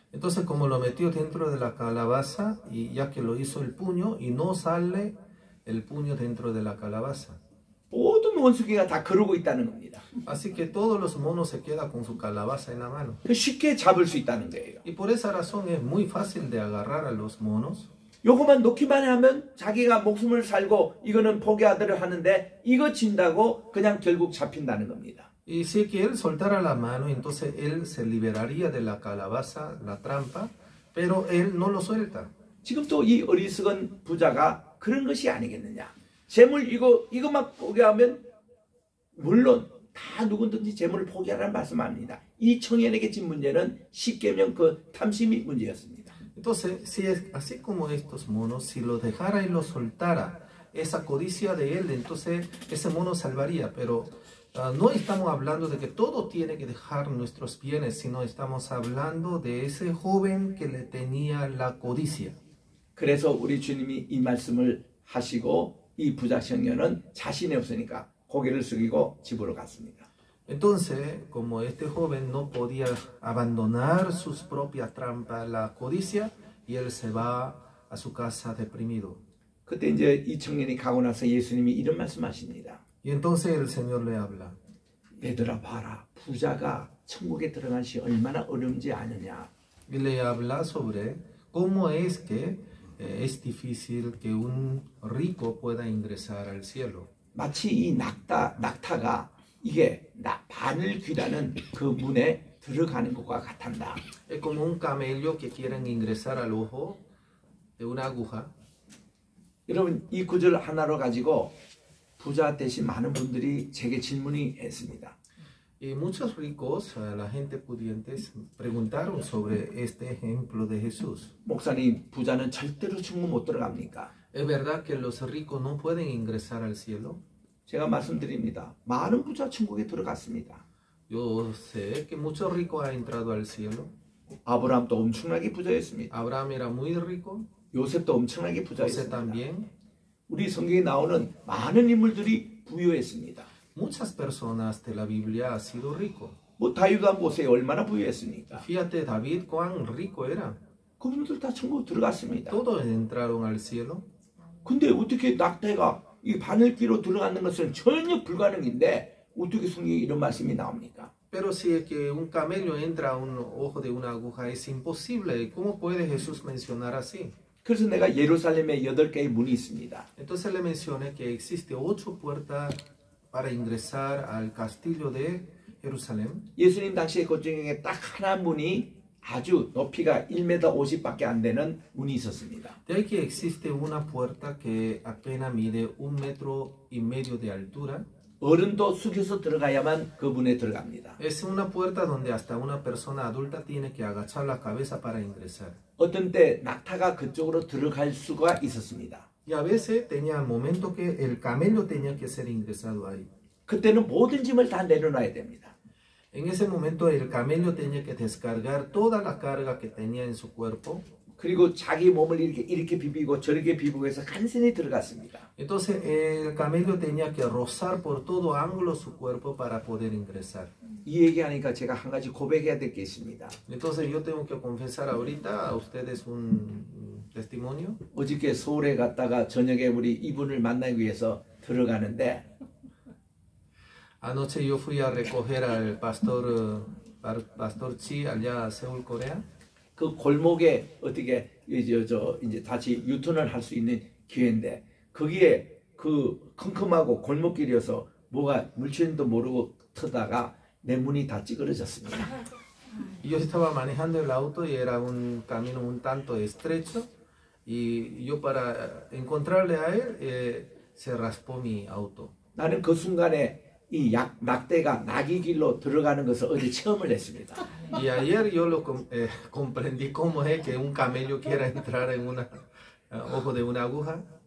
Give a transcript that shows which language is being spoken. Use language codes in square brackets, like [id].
[es] Entonces como lo metió dentro de la calabaza y ya que lo hizo el puño y no sale el puño dentro de la calabaza. [ko] 모든 원숭이가 다 그러고 있다는 겁니다. [es] Así que todos los monos se queda con su calabaza en la mano. [ko] 쉽게 잡을 수 있다는 거예요. [es] Y por esa razón es muy fácil de agarrar a los monos. [ko] 요것만 놓기만 하면 자기가 목숨을 살고 이거는 포기하도록 하는데 이거 진다고 그냥 결국 잡힌다는 겁니다. [es] Y si que él soltara la mano, entonces él se liberaría de la calabaza, la trampa, pero él no lo suelta. [ko] 지금 또 이 어리석은 부자가 그런 것이 아니겠느냐? 재물 이거만 포기하면 물론 다 누구든지 재물을 포기하라는 말씀합니다. 이 청년에게 진 문제는 10계명 그 탐심이 문제였습니다. [es] Entonces, si es así como estos monos, si lo dejara y lo soltara, esa codicia de él, entonces ese mono salvaría. Pero no estamos hablando de que todo tiene que dejar nuestros bienes, sino estamos hablando de ese joven que le tenía la codicia. [ko] 그래서 우리 주님이 이 말씀을 하시고 이 부자 청년은 자신이 없으니까 고개를 숙이고 집으로 갔습니다. [es] Entonces, como este joven no podía abandonar sus propias trampas, la codicia, y él se va a su casa deprimido. [ko] 그때 이제 이 청년이 가고 나서 예수님이 이런 말씀하십니다. [es] Y entonces el Señor le habla. [ko] 얘들아 봐라, 부자가 천국에 들어간 시 얼마나 어려운지 아느냐. [es] Y le habla sobre cómo es que es difícil que un rico pueda ingresar al cielo. [ko] 마치 이 낙타가 이게 바늘 귀라는 그 문에 들어가는 것과 같단다. [es] Es como un camello que quieren ingresar al ojo de una aguja. [ko] 여러분 이 구절 하나로 가지고 부자 대신 많은 분들이 제게 질문이 했습니다. [es] Y muchos ricos, la gente pudiente, preguntaron sobre este ejemplo de Jesús. [ko] 목사님, 부자는 절대로 천국 못 들어갑니까? [es] ¿Es verdad que los ricos no pueden ingresar al cielo? [ko] 제가 말씀드립니다. 많은 부자 천국에 들어갔습니다. [es] Yo sé que muchos ricos han entrado al cielo. [ko] 아브라함도 엄청나게 부자였습니다. [es] Abraham era muy rico. [ko] 요셉도 엄청나게 부자였습니다. [es] José también. [ko] 우리 성경에 나오는 많은 인물들이 부유했습니다. [es] Muchas personas de la Biblia han sido ricos. [ko] 뭐 다윗도 보세요. 얼마나 부유했습니까? [es] Fíjate David cuán rico era. [ko] 그분들 다 천국 들어갔습니다. [es] Todos entraron al cielo. [ko] 근데 어떻게 낙태가 이 바늘귀로 들어가는 것은 전혀 불가능인데 어떻게 성경에 이런 말씀이 나옵니까? [es] Pero si es que un camello entra a un ojo de una aguja es imposible. ¿Cómo puede Jesús mencionar así? [ko] 그래서 내가 예루살렘에 여덟 개의 문이 있습니다. [es] Entonces le mencioné que existe ocho puertas para ingresar al castillo de Jerusalén. [ko] 예수님 당시의 거중에 딱 하나 문이 아주 높이가 1m50밖에 안 되는 문이 있었습니다. [es] De aquí existe una puerta que apenas mide 1.5 metros de altura. [ko] 어른도 숙여서 들어가야만 그 문에 들어갑니다. [es] Es una puerta donde hasta una persona adulta tiene que agachar la cabeza para ingresar. [ko] 어떤 때 낙타가 그쪽으로 들어갈 수가 있었습니다. [es] Y a veces tenía el momento que el camello tenía que ser ingresado ahí. [ko] 그때는 모든 짐을 다 내려놔야 됩니다. [es] En ese momento el camello tenía que descargar toda la carga que tenía en su cuerpo. [ko] 그리고 자기 몸을 이렇게 비비고 저렇게 비비고 해서 간신히 들어갔습니다. [es] Entonces el camello tenía que rozar por todo ángulo su cuerpo para poder ingresar. [ko] 이 얘기하니까 제가 한 가지 고백해야 될 게 있습니다. [es] Entonces yo tengo que confesar ahorita a ustedes un testimonio. [ko] 어저께 서울에 갔다가 저녁에 우리 이분을 만나기 위해서 들어가는데 [es] Anoche yo fui a recoger al pastor Chi allá a Seúl, Corea. [ko] 그 골목에 어떻게 이제 다시 유턴을 할 수 있는 기회인데 거기에 그 컴컴하고 골목길이어서 뭐가 물체인지도 모르고 터다가 내 문이 다 찌그러졌습니다. [es] Yo estaba manejando el auto y era un camino un tanto estrecho y yo para encontrarle a él se raspó mi auto. [ko] 나는 그 순간에 이 낙대가 낙이 길로 들어가는 것을 어제 체험을 했습니다. [es] Y ayer yo lo comprendí cómo es que un camello quiera entrar en una ojo de una aguja.